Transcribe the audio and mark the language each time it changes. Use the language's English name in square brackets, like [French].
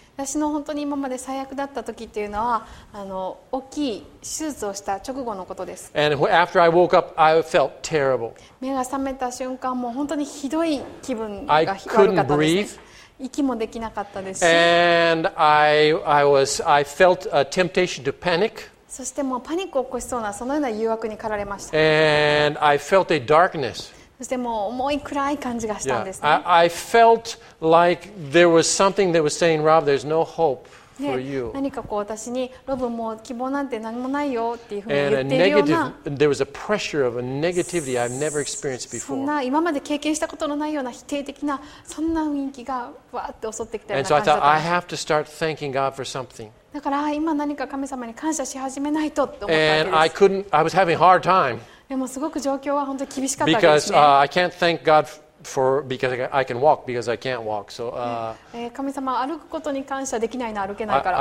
[Japanese] 私の本当に今まで最悪だった時っていうのは、大きい手術をした直後のことです。 [English] And after I woke up, I felt terrible. [Japanese] 目が覚めた瞬間も本当にひどい気分が悪かったです。 [English] I couldn't breathe. [Japanese] 息もできなかったですし。 [English] And I felt a temptation to panic. [Japanese] そしてもうパニックを起こしそうな、そのような誘惑に駆られました。 [English] And I felt a darkness. [Japanese] そしてもう重い暗い感じがしたんですね。 [English] Yeah. I felt like there was something that was saying, Rob, there's no hope for you. [Japanese] 何かこう私に、ロブもう希望なんて何もないよっていうふうに言っているような。 [English] And a negative, there was a pressure of a negativity I've never experienced before. [Japanese] そんな今まで経験したことのないような否定的な、そんな雰囲気がわーって襲ってきたような感じだった。 [English] And so I thought, I have to start thanking God for something. [Japanese] だから今何か神様に感謝し始めないとって思ったんです。 [English] And I couldn't, I was having a hard time. [Japanese] でもすごく状況は本当に厳しかったですね。 [English] Because I can't thank God for because I can walk because I can't walk. So, [Japanese] 神様歩くことに感謝できないな歩けないから。